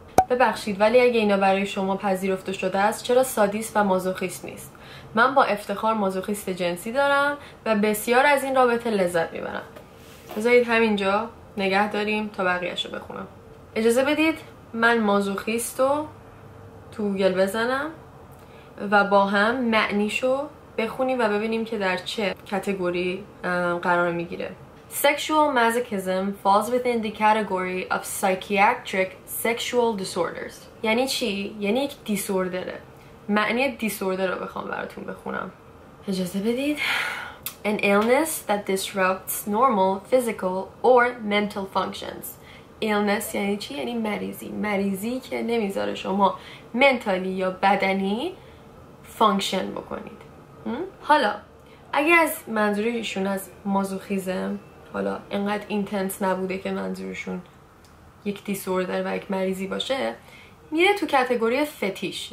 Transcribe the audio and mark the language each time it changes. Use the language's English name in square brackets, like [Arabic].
[Persian] ببخشید ولی اگه اینا برای شما پذیرفته شده است، چرا سادیست و مازوخیست نیست؟ من با افتخار مازوخیست جنسی دارم و بسیار از این رابطه لذت میبرم. بذارید همینجا نگه داریم تا بقیهش رو بخونم. اجازه بدید من مازوخیست رو تو گوگل بزنم و با هم معنیشو بخونیم و ببینیم که در چه کتگوری قرار میگیره. [English] Sexual masochism falls within the category of psychiatric sexual disorders. [Persian] یعنی چی؟ یعنی یک دیسوردره. معنی دیسوردر رو بخوام براتون بخونم. اجازه بدید. [English] An illness that disrupts normal physical or mental functions. [Persian] Illness یعنی چی؟ یعنی مریضی. مریضی که نمیذاره شما منتالی یا بدنی فانکشن بکنید. حالا اگه از منظورشون از مازوخیزم، حالا اینقدر اینتنس نبوده که منظورشون یک دیسوردر و یک مریضی باشه، میره تو کاتگوری فتیش.